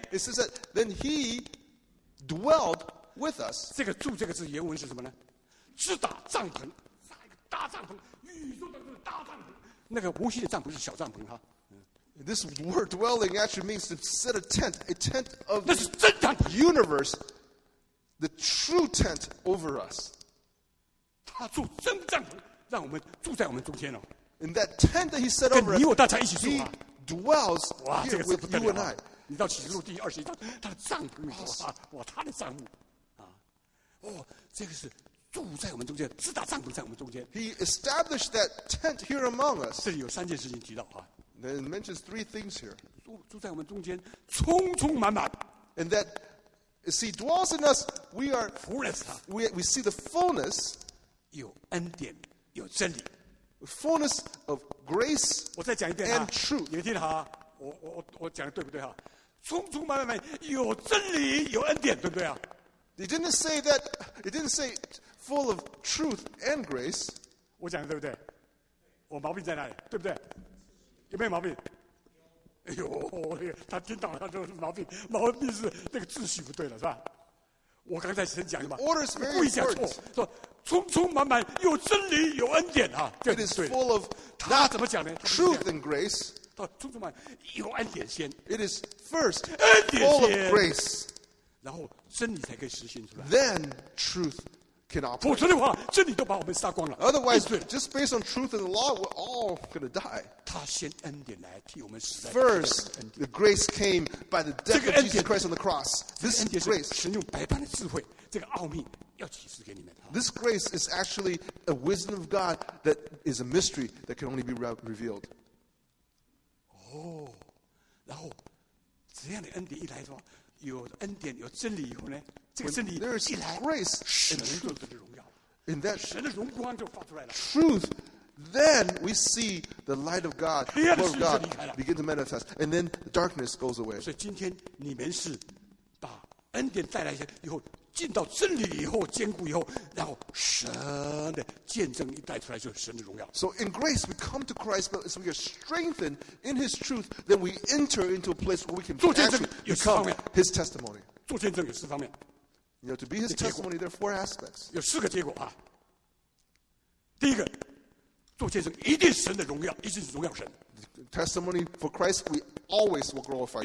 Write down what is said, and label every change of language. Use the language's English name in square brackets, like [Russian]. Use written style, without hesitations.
[English] it says that then he dwelled with us. [Chinese] 这个住这个字原文是什么呢？直打帐篷，扎一个大帐篷，宇宙当中的大帐篷。那个无形的帐篷是小帐篷哈。 [English] This word dwelling actually means to set a tent of the universe, the true tent over us. [Chinese] 他住真帐篷，让我们住在我们中间哦。 [English] In that tent that he set over us, [Chinese] 跟你我大家一起住啊。 [English] He dwells here、 [Chinese] 这个、 [English] with you and I. [Chinese] 你到启示录第二十一章，他的帐篷哇，哇，他的帐幕啊，哦，这个是。住在我们中间，自打帐篷在我们中间。 [English] He established that tent here among us. [Chinese] 这里有三件事情提到啊。 [English] Then it mentions three things here. [Chinese] 住在我们中间，充充满满。 [English] And that, as he dwells in us, we are fullness. We see the fullness. [Chinese] 有恩典，有真理。 [English] Fullness of grace. [Chinese] 我再讲一遍啊。 [English] And truth. [Chinese] 你们听好啊，我讲的对不对啊？充充满满，有真理，有恩典，对不对啊？ [English] It didn't say that. It didn't say full of truth and grace. [Chinese] 我讲的对不对？我毛病在哪里？对不对？有没有毛病？哎呦，他听到了，他就是毛病。毛病是那个秩序不对了，是吧？我刚才先讲的嘛， [English] order is very [Chinese] 故意讲错，说充充满满有真理有恩典啊。 [English] It is full of [Chinese] 他怎么讲呢 [English] ？Truth and grace. [Chinese] 到充充满有恩典先。 [English] It is first [Chinese] 恩典先 [English] full of grace. [Chinese] 然后真理才可以实现出来。 [English] Then truth can operate. [Chinese] 否则的话，真理都把我们杀光了。 [English] Otherwise, just based on truth and the law, we're all going to die. [Chinese] 他先恩典来替我们死在。 [English] First, the grace came by the death of Jesus Christ on the cross. This grace, [Chinese] 神用百般的智慧，这个奥秘要启示给你们。 [English] This grace is actually a wisdom of God that is a mystery that can only be revealed. [Chinese] 哦，然后这样的恩典一来的话。有恩典，有真理以后呢，这个真理一来， [English] grace, [Chinese] 神的荣耀就荣耀了，神的荣光就发出来了。 [English] Truth, then we see the light of God, the glory of God begin to manifest, and then darkness goes away. [Chinese] 所以今天你们是把恩典带来以后，进到真理以后，坚固以后，然后神的见证一带出来，就是神的荣耀。 [English] So in grace we come to Christ, but as we are strengthened in His truth, then we enter into a place where we can [Chinese] 做见证有四方面 [English] His testimony. [Chinese] 做见证有四方面。 [English] You know, to be His testimony, there are four aspects. [Chinese] 有四个结果啊。第一个，做见证一定是神的荣耀，一定是荣耀神。 [English] The testimony for Christ, we always will glorify God.